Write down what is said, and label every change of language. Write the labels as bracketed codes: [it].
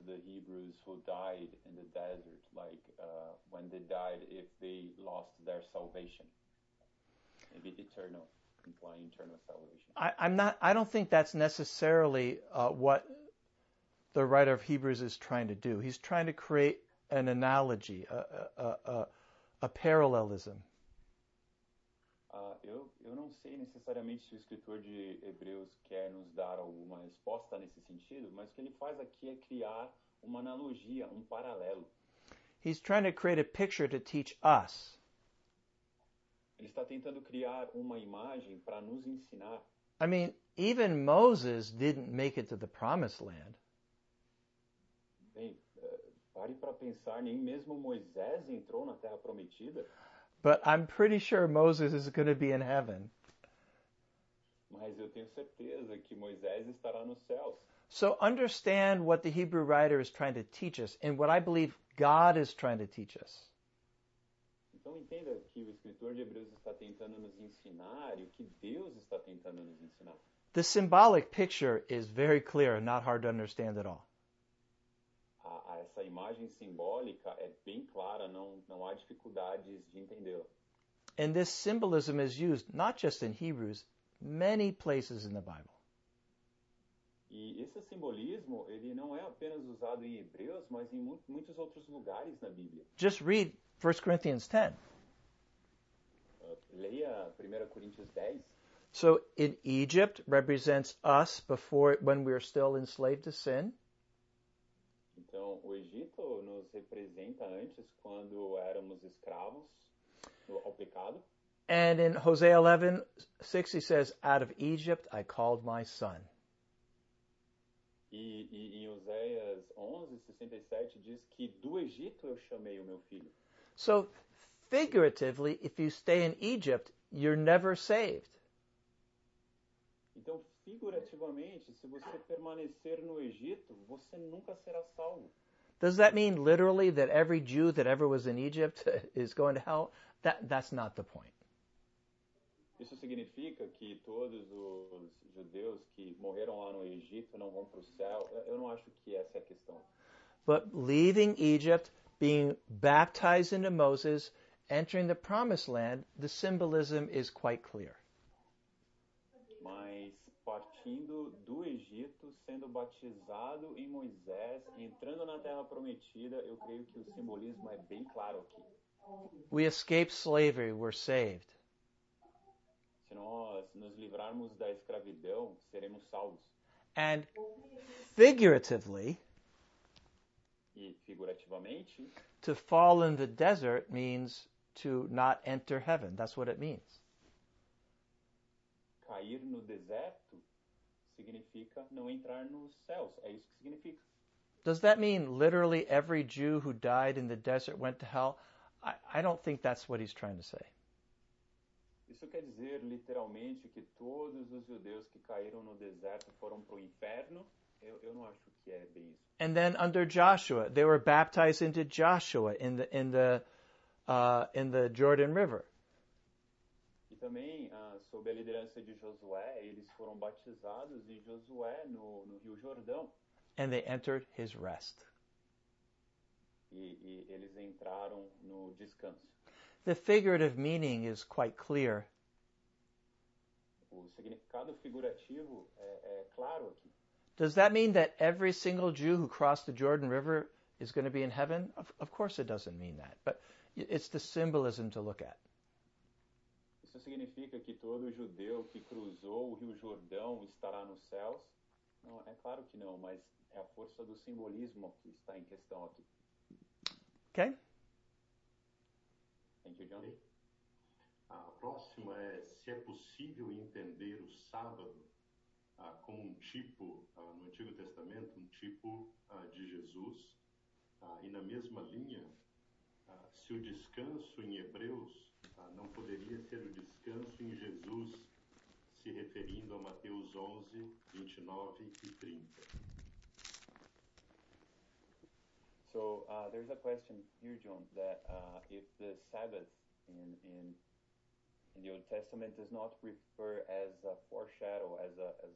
[en] the Hebrews who died in the desert, like when they died, if they lost their salvation, maybe eternal, implying eternal salvation. I don't think that's necessarily what the writer of Hebrews is trying to do. He's trying to create an analogy, a parallelism. [pt] Eu não sei necessariamente se o escritor de Hebreus quer nos dar alguma resposta nesse sentido, mas o que ele faz aqui é criar uma analogia, um paralelo. [en] He's trying to create a picture to teach us. [pt] Ele está tentando criar uma imagem para nos ensinar. [en] I mean, even Moses didn't make it to the Promised Land. [pt] Bem, pare para pensar, nem mesmo Moisés entrou na Terra Prometida. [en] But I'm pretty sure Moses is going to be in heaven. [pt] Mas eu tenho certeza que Moisés estará nos céus. [en] So understand what the Hebrew writer is trying to teach us and what I believe God is trying to teach us. [pt] Então entenda que o escritor de Hebreus está tentando nos ensinar e o que Deus está tentando nos ensinar. [en] The symbolic picture is very clear and not hard to understand at all. [pt] Essa imagem simbólica é bem clara, não há dificuldades de entendê-la. [en] And this symbolism is used not just in Hebrews, many places in the Bible. [pt] E esse simbolismo, ele não é apenas usado em Hebreus, mas em muitos outros lugares na Bíblia. [en] Just read 1 Corinthians 10. [pt] Leia 1 Coríntios 10. [en] So in Egypt represents us before when we are still enslaved to sin. [pt] Então, o Egito nos representa antes, quando éramos escravos ao pecado. [en] And in Hosea 11, 6, he says, out of Egypt I called my son. [pt] E em Hoseias 11, 67, diz que do Egito eu chamei o meu filho. [en] So, figuratively, if you stay in Egypt, you're never saved. [pt] Então, figurativamente, se você permanecer no Egito, você nunca será salvo. [en] Does that mean literally that every Jew that ever was in Egypt is going to hell? That's not the point. [pt] Isso significa que todos os judeus que morreram lá no Egito não vão para o céu? Eu não acho que essa é a questão. [en] But leaving Egypt, being baptized into Moses, entering the Promised Land, the symbolism is quite clear. [pt] Mas partindo do Egito, sendo batizado em Moisés, entrando na Terra Prometida, eu creio que o simbolismo é bem claro aqui. [en] We escape slavery, we're saved. [pt] Se nós nos livrarmos da escravidão, seremos salvos. [en] And figuratively, [pt] e figurativamente, [en] to fall in the desert means to not enter heaven. That's what it means. [pt] Cair no deserto significa não entrar nos céus. É isso que significa. [en] Does that mean literally every Jew who died in the desert went to hell? I don't think that's what he's trying to say. [pt] Isso quer dizer literalmente que todos os judeus que caíram no deserto foram para o inferno? Eu não acho que é bem isso. [en] And then under Joshua, they were baptized into Joshua in the Jordan River. [pt] Também, sob a liderança de Josué, eles foram batizados em Josué, no Rio Jordão. [en] And they entered his rest. [pt] E eles entraram no descanso. [en] The figurative meaning is quite clear. [pt] O significado figurativo é claro aqui. [en] Does that mean that every single Jew who crossed the Jordan River is going to be in heaven? Of course it doesn't mean that, but it's the symbolism to look at. [pt] Isso significa que todo judeu que cruzou o Rio Jordão estará nos céus? Não, é claro que não, mas é a força do simbolismo que está em questão aqui. Ok? [en] Thank you, John. [pt] A próxima é se é possível entender o sábado como um tipo, no Antigo Testamento, um tipo de Jesus. E na mesma linha, se o descanso em Hebreus não poderia ser o descanso em Jesus, se referindo a Mateus 11, 29 e 30. [en] So, there's a question here, John, that if the Sabbath in the Old Testament does not refer as a foreshadow, as a